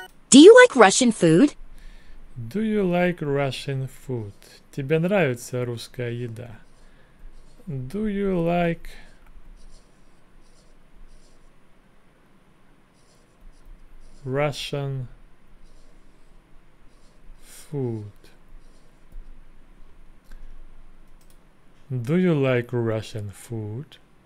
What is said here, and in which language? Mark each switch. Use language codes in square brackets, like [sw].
[en] Do you like Russian food? Do you like Russian food? [ru] Тебе нравится русская еда? [en] Do you like Russian food? Do you like Russian food?